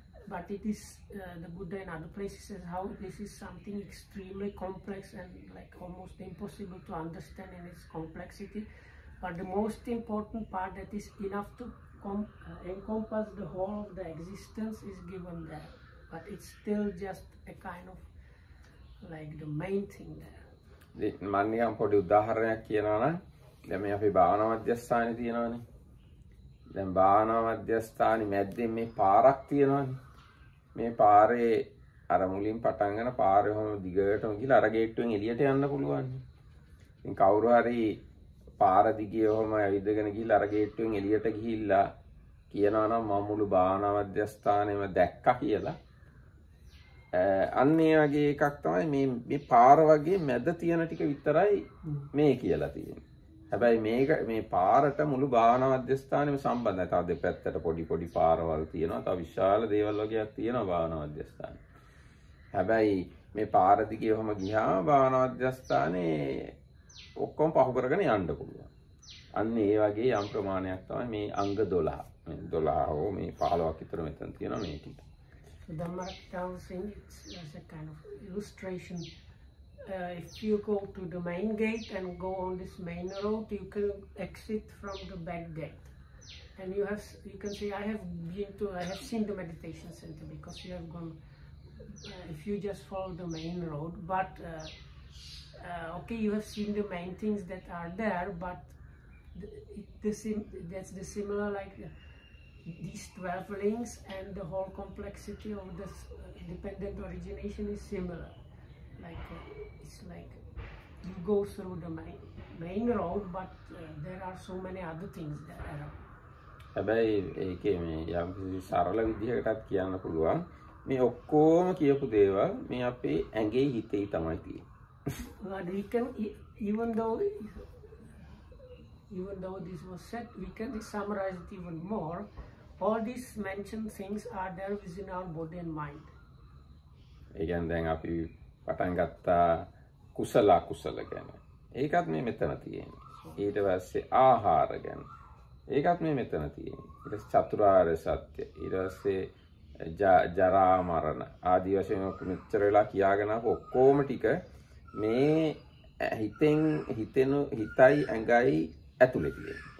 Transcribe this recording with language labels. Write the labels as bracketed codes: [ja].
[en] But it is the Buddha in other places says how this is something extremely complex and like almost impossible to understand in its complexity. But the most important part that is enough to encompass the whole of the existence is given there. But it's still just a kind of like the main thing there. [si] මන්නේම් පොඩි උදාහරණයක් කියනවනම් දැන් මේ අපි භාවනා මධ්‍යස්ථානේ තියෙනවනේ. දැන් භාවනා මධ්‍යස්ථානේ මැද්දේ මේ පාරක් තියෙනවනේ. මේ පාරේ අර මුලින් පටන් ගන්න පාරේ හොම දිගටම ගිහලා අර ගේට්ටුවෙන් එළියට යන්න පුළුවන්. ඉතින් කවුරු හරි පාර දිගේ හොම ඇවිදගෙන ගිහලා අර ගේට්ටුවෙන් එළියට ගිහිල්ලා කියනවා නම් මම මුළු භාවනා මධ්‍යස්ථානෙම දැක්කා කියලා. අන්න ඒ වගේ එකක් තමයි මේ මේ පාර වගේ මැද තියෙන ටික විතරයි මේ කියලා තියෙන්නේ. හැබැයි මේක මේ පාරට මුළු භාවනා මධ්‍යස්ථානෙම සම්බන්ධයි. තව දෙපැත්තට පොඩි පොඩි පාරවල් තියෙනවා. තව විශාල දේවල් වගේක් තියෙනවා භාවනා මධ්‍යස්ථානෙ. හැබැයි මේ පාර දිගේ වහම ගියා භාවනා මධ්‍යස්ථානෙ ඔක්කොම පහු කරගෙන යන්න පුළුවන්. අන්න ඒ වගේ යම් ප්‍රමාණයක් තමයි මේ අංග 12. මේ 12 හෝ මේ 15ක් විතර මෙතන තියෙනවා මේ ටික. [en] Dhammara Kitao saying it's as a kind of illustration if you go to the main gate and go on this main road, you can exit from the back gate. And you have, you can see, I have seen the meditation center, because you have gone, if you just follow the main road, but okay, you have seen the main things that are there, but that's the similar, like these 12 links and the whole complexity of this dependent origination is similar. Like, it's like you go through the main road, but there are so many other things that are around. [si] හැබැයි ඒකේ මේ යම් සරල විදිහකටත් කියන්න පුළුවන් මේ ඔක්කොම කියපු දේවල් මේ අපේ ඇඟේ හිතේ තමයි තියෙන්නේ. [en] We can even though this was said, we can summarize it even more. All these mentioned things are there within our body and mind. [si] ඒකෙන් දැන් අපි පටන් ගත්තා කුසල කුසල ගැන. ඒකත් මේ මෙතන තියෙන්නේ. ඊට පස්සේ ආහාර ගැන ඒකත් මේ මෙතන තියෙන්නේ. ඊට පස්සේ චතුරාර්ය සත්‍ය. ඊට පස්සේ ජරා මරණ ආදී වශයෙන් මෙච්චර වෙලා කියාගෙන ආපු ඔක්කොම ටික මේ හිතෙන් හිතෙනු හිතයි ඇඟයි ඇතුලේ තියෙන්නේ.